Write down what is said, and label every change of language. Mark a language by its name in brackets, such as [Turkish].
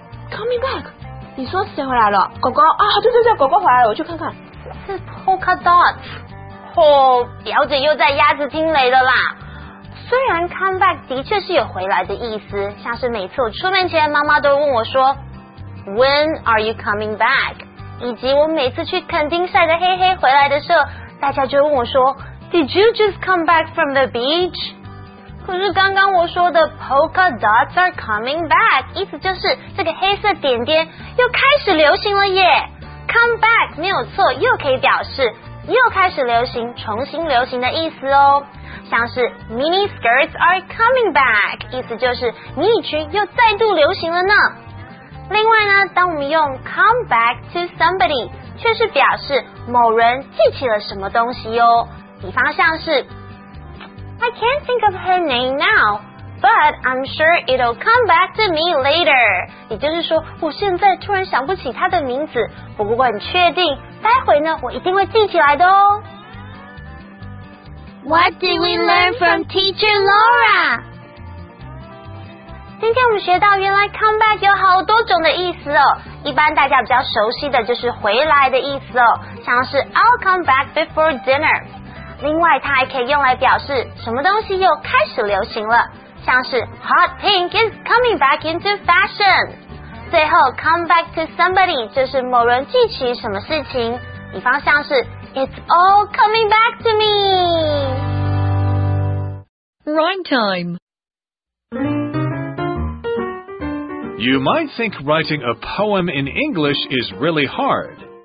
[English] Coming back？ [Chinese] 你说谁回来了？狗狗啊，对对对，狗狗回来了，我去看看。是 polka dots。哦，表姐又在鸭子惊雷了啦。虽然 come back 的确是有回来的意思，像是每次我出门前，妈妈都问我说。 [English] When are you coming back? [Chinese] 以及我每次去垦丁晒得黑黑回来的时候，大家就问我说 [English] Did you just come back from the beach? [Chinese] 可是刚刚我说的 [English] polka dots are coming back [Chinese] 意思就是这个黑色点点又开始流行了耶。 Come back 没有错，又可以表示又开始流行，重新流行的意思哦。像是 [English] mini skirts are coming back [Chinese] 意思就是迷你裙又再度流行了呢。另外呢，当我们用 come back to somebody， 却是表示某人记起了什么东西哦。比方像是 [English] I can't think of her name now， but I'm sure it'll come back to me later。 [Chinese] 也就是说，我现在突然想不起她的名字，不过我很确定，待会呢，我一定会记起来的哦。 [English] What did we learn from Teacher Laura? [Chinese] 今天我们学到原来 come back 有好多种的意思哦，一般大家比较熟悉的就是回来的意思哦，像是 [English] I'll come back before dinner。 [Chinese] 另外它还可以用来表示什么东西又开始流行了，像是 [English] Hot pink is coming back into fashion。 [Chinese] 最后 come back to somebody 就是某人记起什么事情，比方像是 [English] It's all coming back to me。 Rhyme time。 You might think writing a poem in English is really hard.